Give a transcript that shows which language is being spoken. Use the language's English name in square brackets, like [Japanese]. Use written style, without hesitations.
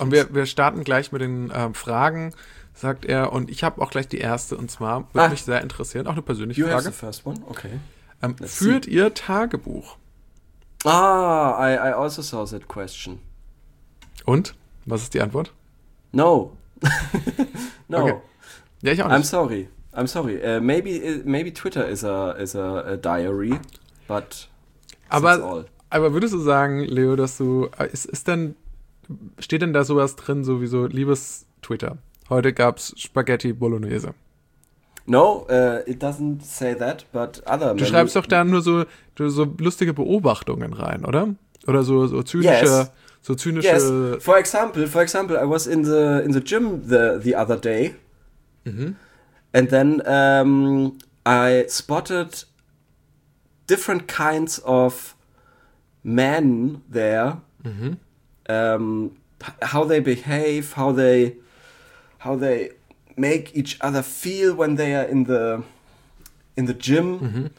[German] Und wir starten gleich mit den Fragen, sagt er. Und ich habe auch gleich die erste, und zwar, würde mich sehr interessieren, auch eine persönliche Frage. [English] You have the first one, okay. [German] Führt ihr Tagebuch? [English] Ah, I also saw that question. [German] Und? Was ist die Antwort? [English] No. No. [German] Okay. Ja, ich auch nicht. [English] I'm sorry. Maybe Twitter is a diary, but... [German] Aber, würdest du sagen, Leo, dass du, steht denn da sowas drin, so wie so, liebes Twitter, heute gab's Spaghetti Bolognese? [English] No, it doesn't say that, but other... [German] Du schreibst doch da nur so lustige Beobachtungen rein, oder? Oder so zynische... [English] Yes. [German] So zynische... [English] Yes, for example, I was in the gym the other day. Mm-hmm. And then I spotted different kinds of men there. Mm-hmm. How they behave, how they make each other feel when they are in the gym. Mm-hmm.